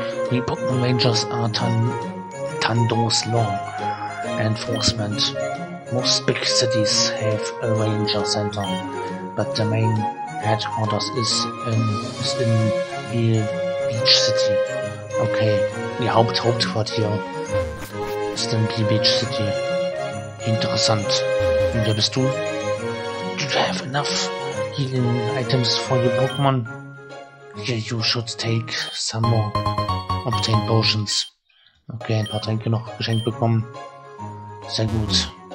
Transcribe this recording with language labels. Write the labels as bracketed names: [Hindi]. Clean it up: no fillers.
[English] We Pokémon Rangers are Tandor's law enforcement. Most big cities have a ranger center, but the main headquarters is in Real Beach City. [German] Okay, die Hauptquartier ist in Real Beach City. Interessant. Und wer bist du? [English] Do you have enough healing items for your Pokémon? Yeah, you should take some more. Obtain potions. [German] Okay, ein paar Tränke noch geschenkt bekommen. Sehr gut.